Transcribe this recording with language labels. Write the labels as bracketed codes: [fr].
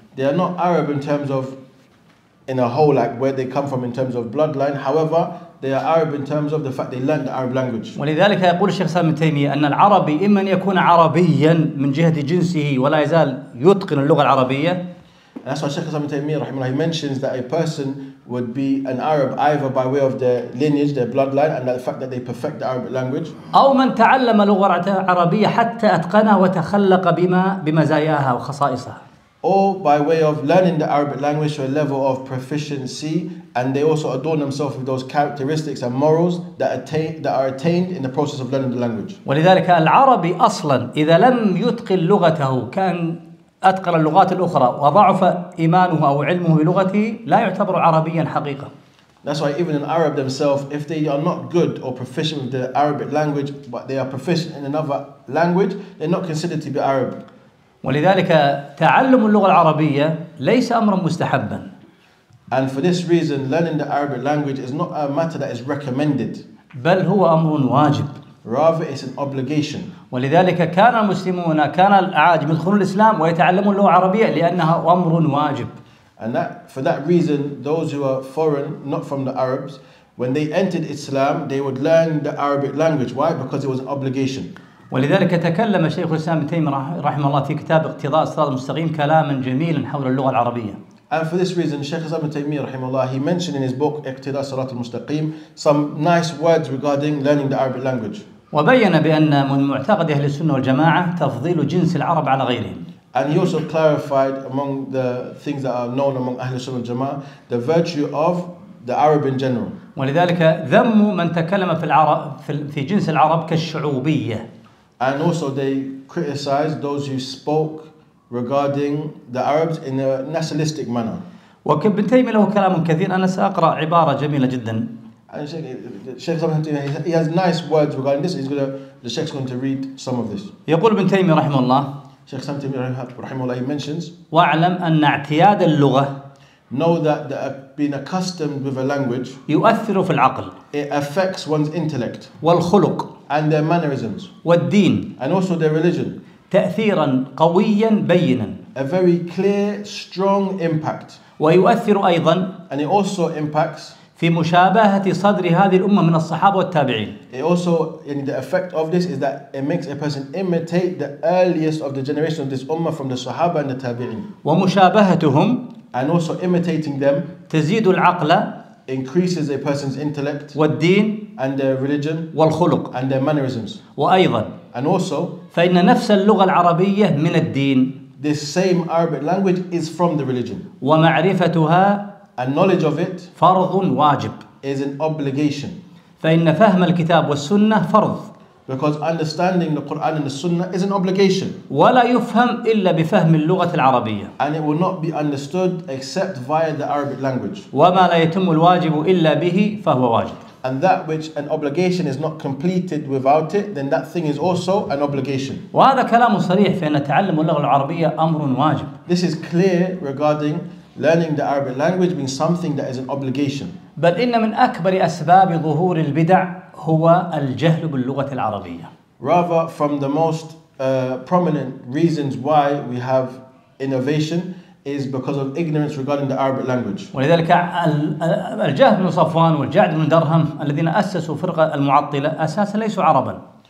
[en] They are not Arab in terms of in a whole like where they come from in terms of bloodline. However, they are Arab in terms of the fact they learned the Arab language. [ar] ولذلك يقول الشيخ سالم التيمية أن العربي إما أن يكون عربيا من جهة جنسه ولا يزال يتقن اللغة العربية. [en] And that's why Sheikh Islam Taymiyyah rahimahullah, he mentions that a person would be an Arab either by way of their lineage, their bloodline, and the fact that they perfect the Arabic language. [ar] أو من تعلم لغة عربية حتى أتقنها وتخلق بما بمزاياها وخصائصها. [en] Or by way of learning the Arabic language to a level of proficiency, and they also adorn themselves with those characteristics and morals that are attained in the process of learning the language. [ar] ولذلك العربي أصلاً إذا لم يتقن لغته كان أتقن اللغات الأخرى وضعف إيمانه أو علمه بلغته لا يعتبر عربيا حقيقة. [en] That's why even an Arab themselves, if they are not good or proficient with the Arabic language, but they are proficient in another language, they're not considered to be Arab. [ar] ولذلك تعلم اللغة العربية ليس أمرا مستحبا. [en] And for this reason, learning the Arabic language is not a matter that is recommended. [ar] بل هو أمر واجب. [en] Rather, it's an obligation. [ar] ولذلك كان المسلمون كان العاجم يدخلون الإسلام ويتعلمون اللغة العربية لأنها أمر واجب. [en] And that, for that reason, those who are foreign, not from the Arabs, when they entered Islam, they would learn the Arabic language. Why? Because it was an obligation. [ar] ولذلك تكلم الشيخ الإسلام ابن تيمية رحمه الله في كتاب اقتضاء الصراط المستقيم كلاما جميلا حول اللغة العربية. [en] And for this reason, Sheikh Islam ibn Taymiyyah rahimahullah, he mentioned in his book Iqtida' Salat al-Mustaqim some nice words regarding learning the Arabic language. [ar] وبين بأن من معتقد أهل السنة والجماعة تفضيل جنس العرب على غيرهم. [en] And he also clarified among the things that are known among Ahl al-Sunnah al-Jama'ah, the virtue of the Arab in general. [ar] ولذلك ذموا من تكلم في العرب في جنس العرب كالشعوبية. [en] And also they criticized those who spoke regarding the Arabs in a nationalistic manner. [ar] وكان ابن تيمية له كلام كثير. أنا سأقرأ عبارة جميلة جدا. [en] الشيخ ابن تيمية, he has nice words regarding this. The Sheikh is going to read some of this. [ar] يقول ابن تيمية رحمه الله. [en] Sheikh ابن تيمية رحمه الله, he mentions. [ar] واعلم أن اعتياد اللغة. [en] Know that the being accustomed with a language. [ar] يؤثر في العقل. [en] It affects one's intellect. [ar] والخلق. [en] And their mannerisms. [ar] والدين. [en] And also their religion. [ar] تأثيرا قويا بينا. [en] A very clear, strong impact. [ar] ويؤثر أيضا. [en] And it also impacts. [ar] في مشابهة صدر هذه الأمة من الصحابة والتابعين. [en] It also, and the effect of this is that it makes a person imitate the earliest of the generation of this ummah from the Sahaba and the Tabi'in. [ar] ومشابهتهم. [en] And also imitating them. [ar] تزيد العقل. [en] Increases a person's intellect. [ar] والدين. [en] And their religion. [ar] والخلق. [en] And their mannerisms. [ar] وأيضا. [en] And also. [ar] فإن نفس اللغة العربية من الدين. [en] This same Arabic language is from the religion. [ar] ومعرفتها. [en] And knowledge of it [ar] فرض واجب. [en] Is an obligation. [ar] فإن فهم الكتاب والسنة فرض. [en] Because understanding the Quran and the Sunnah is an obligation. [ar] ولا يفهم إلا بفهم اللغة العربية. [en] And it will not be understood except via the Arabic language. [ar] وما لا يتم الواجب إلا به فهو واجب. [en] And that which an obligation is not completed without it, then that thing is also an obligation. [ar] وهذا كلام صريح في أن تعلم اللغة العربية أمر واجب. [en] This is clear regarding learning the Arabic language being something that is an obligation. [ar] بل إن من أكبر أسباب ظهور البدع هو الجهل باللغة العربية. [en] Rather, from the most prominent reasons why we have innovation is because of ignorance regarding the Arabic language. [ar] ولذلك الجهل بن صفوان والجعد بن درهم الذين أسسوا فرقة المعطلة أساسا ليسوا عربا.